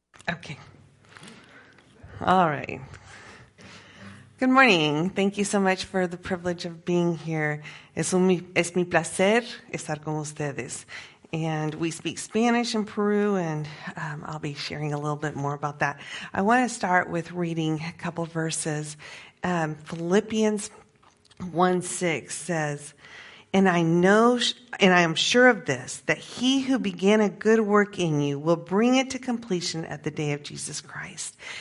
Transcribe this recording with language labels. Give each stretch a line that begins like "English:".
English: Okay. All right. Good morning. Thank you so much for the privilege of being here.
Spanish: Es mi placer estar con ustedes.
English: And we speak Spanish in Peru, and I'll be sharing a little bit more about that. I want to start with reading a couple of verses. Philippians 1:6 says, And I am sure of this, that he who began a good work in you will bring it to completion at the day of Jesus Christ.